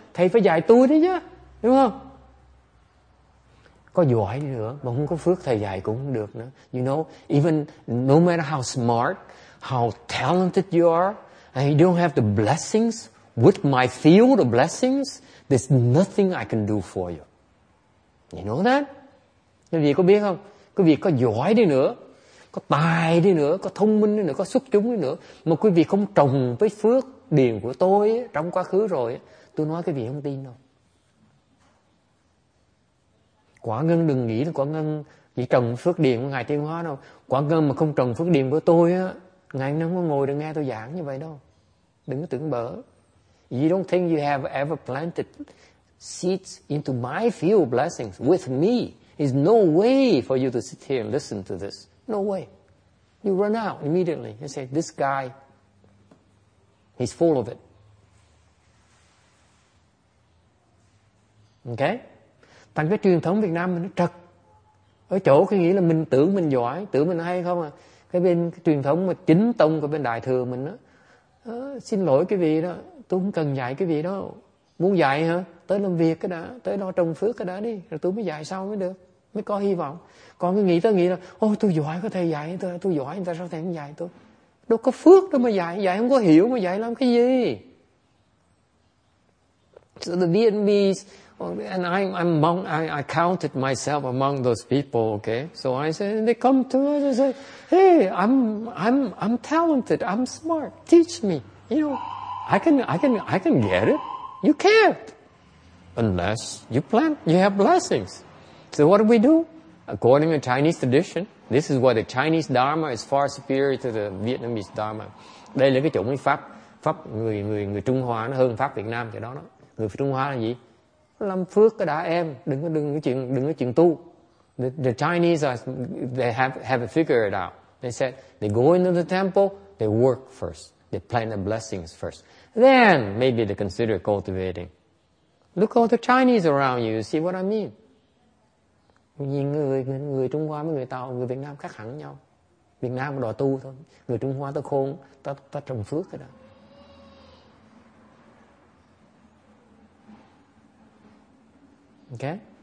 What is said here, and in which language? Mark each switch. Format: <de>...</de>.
<vi>Thầy phải dạy tôi đấy chứ. Đúng không? Có giỏi nữa mà không có phước thầy dạy cũng không được nữa.</vi> <en>You know, even no matter how smart, how talented you are, and you don't have the blessings, with my field of blessings, there's nothing I can do for you. You know that?</en> <vi>Quý vị có biết không? Quý vị có giỏi đi nữa, có tài đi nữa, có thông minh đi nữa, có xuất chúng đi nữa, mà quý vị không trồng với phước điền của tôi ấy, trong quá khứ rồi, ấy, tôi nói quý vị không tin đâu. Quả ngân đừng nghĩ là quả ngân chỉ trồng phước điền của Ngài Tiên Hóa đâu. Quả ngân mà không trồng phước điền của tôi á, Ngài không có ngồi được nghe tôi giảng như vậy đâu. Đừng có tưởng bở.</vi> <en>You don't think you have ever planted seeds into my field of blessings with me. There's no way for you to sit here and listen to this. No way. You run out immediately and say, this guy, he's full of it. Okay?</en> <vi>Thành cái truyền thống Việt Nam mình nó trật. Ở chỗ cái nghĩa là mình tưởng mình giỏi, tưởng mình hay không à. Cái bên cái truyền thống mà chính tông của bên Đại Thừa mình đó. Xin lỗi cái vị đó, tôi không cần dạy cái vị đó. Muốn dạy hả? Tới làm việc cái đã, tới lo trồng phước cái đã đi. Rồi tôi mới dạy sau mới được. mới có hy vọng. Còn cứ nghĩ là ôi tôi giỏi, có thể dạy tôi giỏi, tại sao thầy không dạy tôi? Đâu có phước đâu mà dạy, dạy không có hiểu mà dạy làm cái gì?</vi> <en>So the Vietnamese, and I counted myself among those people, okay? So I said, they come to us and say, hey, I'm talented, I'm smart, teach me. You know, I can get it. You can't, unless you plan, you have blessings. So what do? According to Chinese tradition, this is why the Chinese Dharma is far superior to the Vietnamese Dharma.</en> <vi>Đây là cái chủng pháp, pháp người người người Trung Hoa nó hơn pháp Việt Nam cái đó. Người Trung Hoa là gì? Làm phước cái đã em, đừng có chuyện tu.</vi> <en>The Chinese are, they have figured it out. They said they go into the temple, they work first, they plant the blessings first, then maybe they consider cultivating. Look all the Chinese around you, see what I mean?</en> <vi>Nhìn người Trung Hoa với người Tàu, người Việt Nam khác hẳn nhau. Việt Nam đòi tu thôi, người Trung Hoa ta khôn, ta trồng phước cái đó.</vi> <en>Okay.</en>